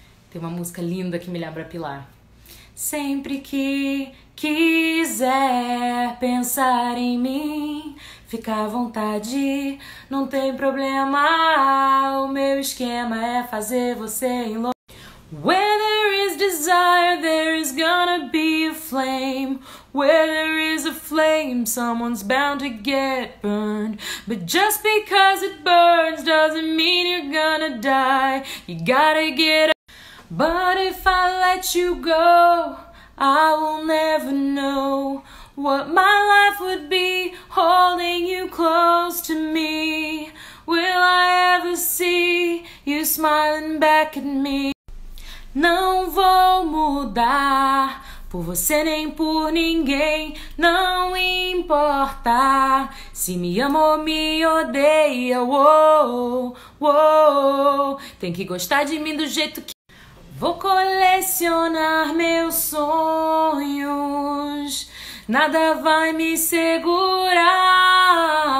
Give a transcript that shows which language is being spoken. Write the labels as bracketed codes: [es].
[pt] Tem uma música linda que me lembra Pilar. Sempre que quiser pensar em mim, fica à vontade, não tem problema. O meu esquema é fazer você enlouquecer. [en] Where there is desire, there is gonna be a flame. Where there is a flame, someone's bound to get burned. But just because it burns doesn't mean you're gonna die. You gotta get up. But if I let you go, I will never know what my life would be holding you close to me. Will I ever see you smiling back at me? [pt] Não vou mudar por você nem por ninguém, não importa se me ama ou me odeia. Uou, uou, tem que gostar de mim do jeito que... Vou colecionar meus sonhos, nada vai me segurar.